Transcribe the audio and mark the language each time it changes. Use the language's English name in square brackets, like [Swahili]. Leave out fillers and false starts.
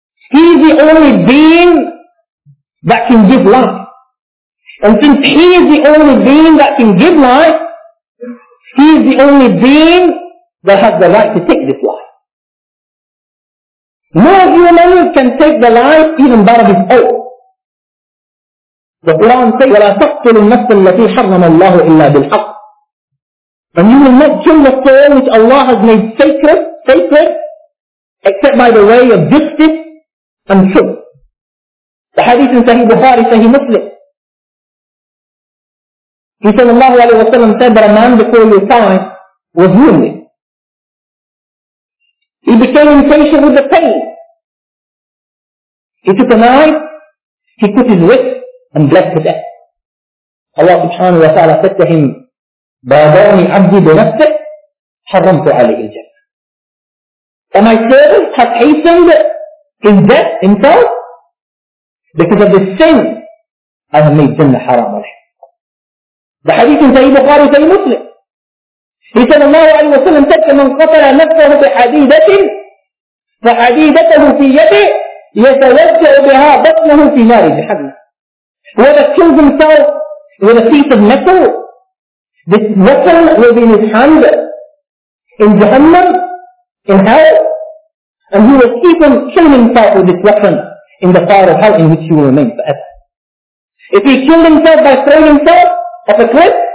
[English] He is the only being that can give life. And since He is the only being that can give life, He is the only being that has the right to take this life. No human can take the life even that of his own. The Quran says, [Arabic] وَلَا تَقْتُلُ النَّفْسَ الَّتِي حَرَّمَ اللَّهُ إِلَّا بِالْحَقِّ. [English] And you will not kill the soul which Allah has made sacred, sacred, except by the way of justice and truth. The hadith in Sahih Bukhari, Sahih Muslim. He said, Allah said that a man before your time was wounded. He became impatient with the pain. He took a knife, he cut his wrist and bled to death. Allah subhanahu wa ta'ala said to him, [Arabic] بَادَرْنِ عَبْدِي بِنَفْسِكْ حَرَّمْتُ عَلَيْهِ الْجَنَّةِ. [English] And my servant has hastened his death himself because of this sin I have made Jannah haram on him. The hadith in Sahih Bukhari, Sahih Muslim. He said, Allah alayhi wa sallam said, [Arabic] من قتل نفسه بحديدة فحديدته في يده يتوجع بها بطنه في نار جهنم. [English] Whoever kills himself with a piece of metal, this metal will be in his hand in Jahannam, in hell, and he will keep on killing himself with this weapon in the fire of hell in which he will remain forever. If he killed himself by throwing himself off a cliff,